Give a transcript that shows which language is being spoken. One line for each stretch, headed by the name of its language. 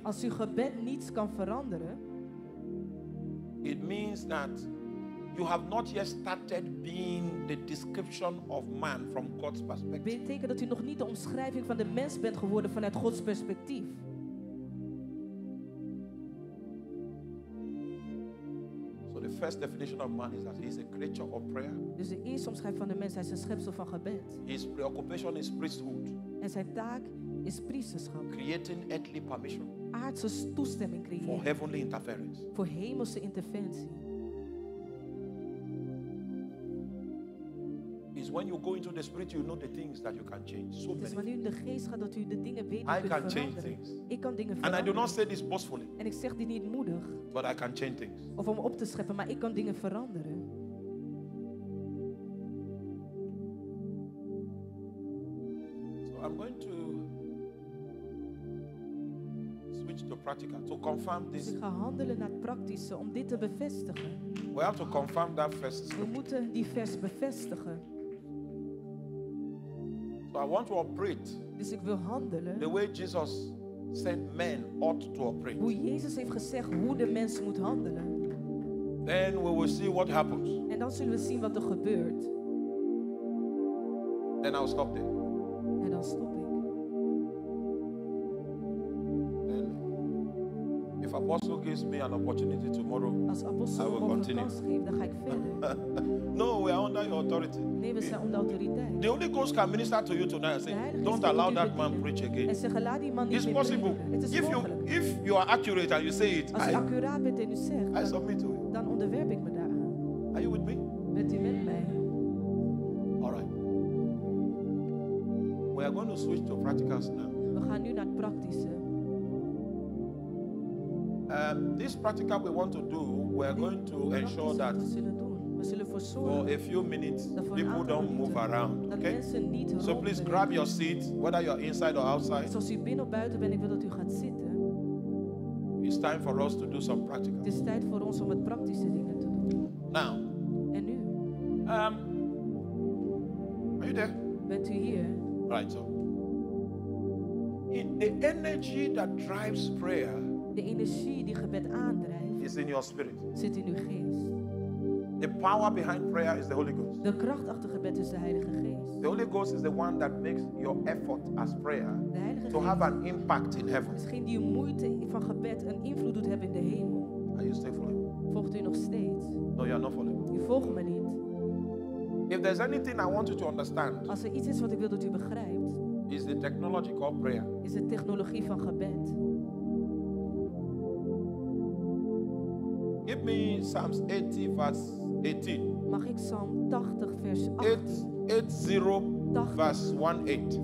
Dutch: als uw gebed niets kan veranderen,
English: it means that you have not yet started being the description of man from God's perspective.
Dutch: Betekent dat u nog niet de omschrijving van de mens bent geworden vanuit Gods perspectief.
English: First definition of man is that he is a creature of prayer.
Dutch: Dus de eerste omschrijving van de mens, hij is een schepsel van gebed.
English: His preoccupation is priesthood.
Dutch: En zijn taak is priesterschap.
English: Creating earthly permission.
Dutch: Aardse toestemming creëren.
English: For heavenly interference.
Dutch: Voor hemelse interventie.
English: Is when you go into the spirit, you know the things that you can change. So
Dutch: het is wanneer u in de geest gaat dat u de dingen weet.
English: I can change things.
Dutch: Ik kan dingen veranderen.
English: And I do not say this boastfully.
Dutch: En ik zeg dit niet moedig.
English: But I can change things.
Dutch: Of om op te scheppen, maar ik kan dingen veranderen.
English: So I'm going to switch to practical to confirm this.
Dutch: Dus ik ga handelen naar het praktische om dit te bevestigen.
English: We have to confirm that first.
Dutch: We moeten die vers bevestigen.
English: So I want to operate.
Dutch: Dus ik wil handelen.
English: The way Jesus said men ought to operate.
Dutch: Hoe Jezus heeft gezegd hoe de mens moet handelen.
English: Then we will see what happens.
Dutch: En dan zullen we zien wat er gebeurt.
English: Then I'll stop there.
Dutch: En dan stop ik.
English: Then, if I apostle gives me an opportunity tomorrow,
Dutch: als apostel
English: I will continue.
Dutch: Geeft, dan ga ik
English: no, we are under your authority.
Dutch: Nee, we staan onder autoriteit.
English: The Holy Ghost can minister to you tonight and say, don't allow that man preach again.
Dutch: En zeggen, laat die man niet
English: it's possible.
Dutch: Het is
English: if, you, if you are accurate and you say it,
Dutch: als je accuraat bent en u zegt,
English: I submit to it.
Dutch: Dan onderwerp ik me daaraan.
English: Are you with me?
Dutch: Bent u met mij?
English: Alright. We are going to switch to practicals now.
Dutch: We gaan nu naar het praktische.
English: This practical we want to do, we are going to ensure that for a few minutes people don't move around. Okay? So please grab your seat, whether you are inside or outside. It's time for us to do some practical.
Dutch: Het is tijd voor ons om het praktische dingen te doen.
English: Now.
Dutch: En nu.
English: Are you there?
Dutch: Bent u hier?
English: Right. So, in the energy that drives prayer.
Dutch: De energie die gebed aandrijft
English: is in your spirit.
Dutch: Zit in uw geest.
English: The power behind prayer is the Holy Ghost.
Dutch: De kracht achter gebed is de Heilige Geest.
English: The Holy Ghost is the one that makes your effort as prayer
Dutch: de Heilige Geest
English: to have an impact in heaven.
Dutch: Misschien die moeite van gebed een invloed doet hebben in de hemel.
English: Are you still following?
Dutch: Volgt u nog steeds?
English: No, you are not following.
Dutch: U volgt me niet.
English: If there's anything I want you to understand,
Dutch: als er iets is wat ik wil dat u begrijpt,
English: is the technology called prayer.
Dutch: Is de technologie van gebed.
English: Give me Psalms 80 verse 18.
Dutch: Mag ik Psalm 80 vers 18?
English: 80 verse 18.